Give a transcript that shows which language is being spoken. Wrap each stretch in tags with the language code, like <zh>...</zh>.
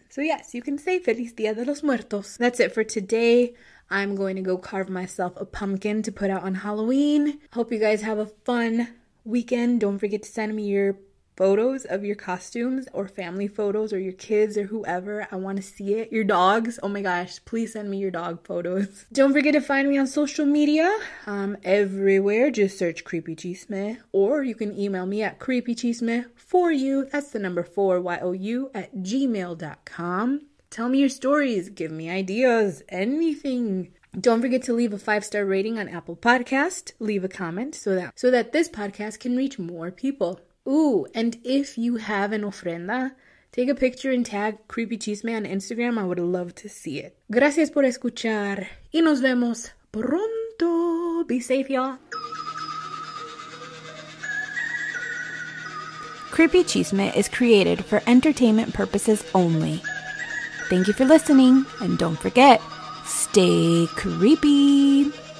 <en>So yes, you can say</en> <es>Feliz Día de los Muertos.</es> <en>That's it for today. I'm going to go carve myself a pumpkin to put out on Halloween. Hope you guys have a fun weekend. Don't forget to send me your photos of your costumes or family photos or your kids or whoever. I want to see it. Your dogs. Oh my gosh, please send me your dog photos. Don't forget to find me on social media. I'm everywhere. Just search Creepy Chisme, or you can email me at creepychisme4u. That's the number 4YOU at gmail.com. Tell me your stories. Give me ideas. Anything. Don't forget to leave a 5-star rating on Apple Podcast. Leave a comment so that this podcast can reach more people. Ooh, and if you have an ofrenda, take a picture and tag Creepy Chisme on Instagram. I would love to see it.</en> <es>Gracias por escuchar y nos vemos pronto.</es> <en>Be safe, y'all. Creepy Chisme is created for entertainment purposes only. Thank you for listening, and don't forget, stay creepy.</en>